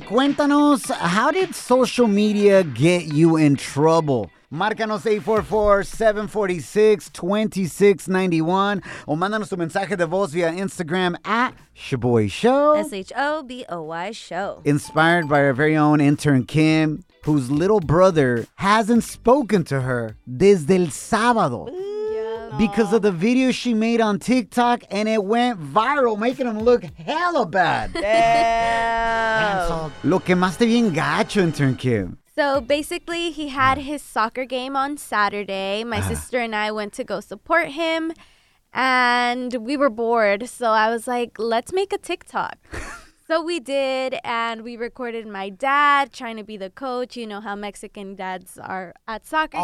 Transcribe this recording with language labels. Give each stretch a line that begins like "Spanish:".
Spanish: Cuéntanos,
English: how did social media get you in trouble?
Spanish: Márcanos 844-746-2691 o mándanos tu mensaje de voz via Instagram at Shaboy Show.
English: S-H-O-B-O-Y Show. Inspired by our very own intern Kim, whose little brother hasn't spoken to her
Spanish: desde el sábado.
English: Because of the video she made on TikTok, and it went viral, making him look hella bad. Damn.
Spanish: Lo que más te bien gacho, intern Kim.
English: So basically, he had his soccer game on Saturday. My sister and I went to go support him, and we were bored. So I was like, let's make a TikTok. So we did, and we recorded my dad trying to be the coach. You know how Mexican dads are at soccer games.